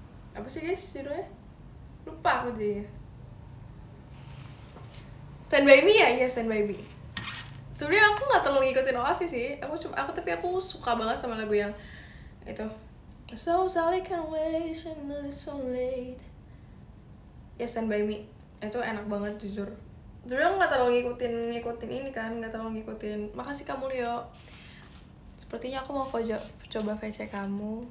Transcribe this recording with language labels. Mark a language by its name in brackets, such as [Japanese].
[Indonesian] Apa sih guys judulnya? Lupa aku jadi. Stand by me ya? Iya, stand by me. Sebenernya aku gak terlalu ngikutin OSIS sih. Tapi aku suka banget sama lagu yang itu. [English] So sorry can't wait, I know it's so late. [Indonesian] Ya, stand by me. Itu enak banget jujur. Sebenernya aku gak terlalu ngikutin ini kan. Gak terlalu ngikutin. Makasih kamu Leo. Sepertinya aku mau coba VC kamu.